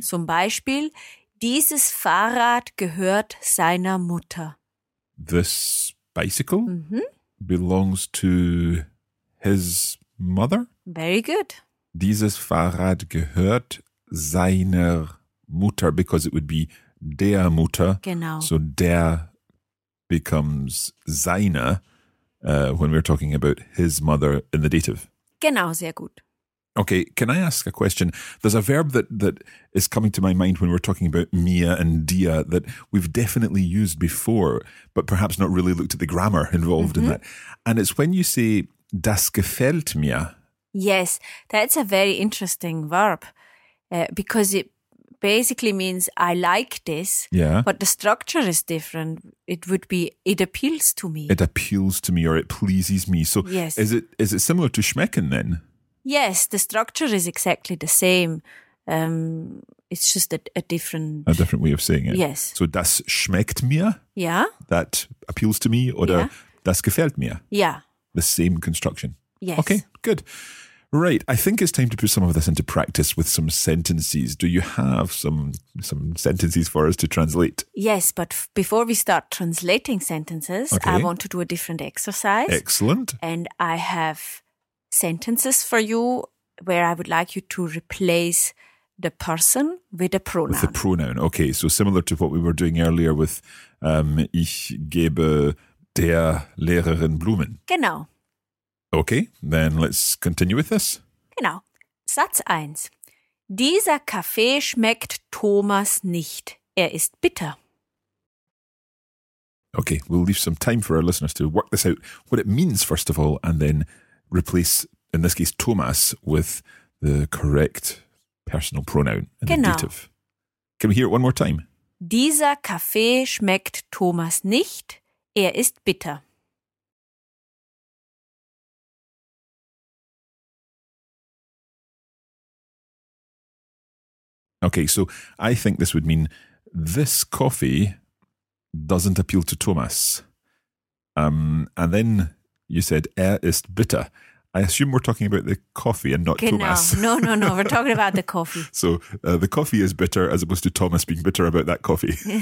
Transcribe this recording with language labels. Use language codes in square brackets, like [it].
[de] Zum Beispiel, dieses Fahrrad gehört seiner Mutter. [en] This bicycle belongs to his mother? Very good. [de] Dieses Fahrrad gehört seiner Mutter, [en] because it would be [de] der Mutter. Genau. [en] So der becomes seine when we're talking about his mother in the dative. [de] Genau, sehr gut. [en] Okay, can I ask a question? There's a verb that is coming to my mind when we're talking about mia and dia that we've definitely used before, but perhaps not really looked at the grammar involved in that. And it's when you say, [de] das gefällt mir. [en] Yes, that's a very interesting verb because it basically means I like this, but the structure is different. It would be, it appeals to me. It appeals to me or it pleases me. So yes. is it similar to schmecken then? Yes, the structure is exactly the same. It's just a different way of saying it. Yes. So [de] das schmeckt mir. [en] Yeah. That appeals to me, [de] oder das gefällt mir. [en] Yeah. The same construction. Yes. Okay. Good. Right. I think it's time to put some of this into practice with some sentences. Do you have some sentences for us to translate? Yes, but before we start translating sentences, I want to do a different exercise. Excellent. And I have sentences for you where I would like you to replace the person with a pronoun. With the pronoun. Okay, so similar to what we were doing earlier with [de] ich gebe der Lehrerin Blumen. Genau. [en] Okay, then let's continue with this. [de] Genau. Satz 1. Dieser Kaffee schmeckt Thomas nicht. Er ist bitter. [en] Okay, we'll leave some time for our listeners to work this out, what it means, first of all, and then replace, in this case, Thomas, with the correct personal pronoun in the dative. Can we hear it one more time? [de] Dieser Kaffee schmeckt Thomas nicht. Er ist bitter. [en] Okay, so I think this would mean this coffee doesn't appeal to Thomas. And then you said, [de] er ist bitter. [en] I assume we're talking about the coffee and not Thomas. No. We're talking about the coffee. So the coffee is bitter as opposed to Thomas being bitter about that coffee.